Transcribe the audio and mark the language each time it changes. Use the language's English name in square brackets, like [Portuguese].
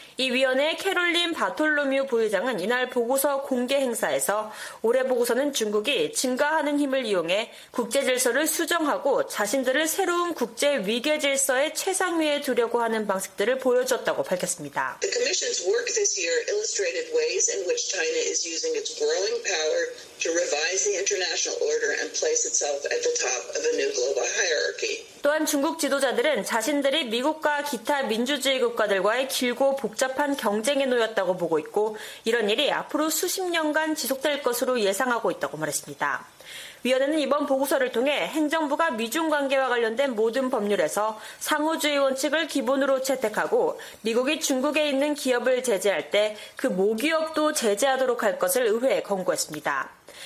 [Korean] 이 위원회 캐롤린 바톨로뮤 부의장은 이날 보고서 공개 행사에서 올해 보고서는 중국이 증가하는 힘을 이용해 국제질서를 수정하고 자신들을 새로운 국제 위계질서의 최상위에 두려고 하는 방식들을 보여줬다고 밝혔습니다. [English] The Commission's work this year illustrated ways in which China is using its growing power to revise the international order and place itself at the top of a new global hierarchy. [Korean] 또한 중국 지도자들은 자신들이 미국과 기타 민주주의 국가들과의 길고 복잡한 경쟁에 놓였다고 보고 있고 이런 일이 앞으로 수십 년간 지속될 것으로 예상하고 있다고 말했습니다. 위원회는 이번 보고서를 통해 행정부가 미중 관계와 관련된 모든 법률에서 상호주의 원칙을 기본으로 채택하고 미국이 중국에 있는 기업을 제재할 때 그 모기업도 제재하도록 할 것을 의회에 권고했습니다.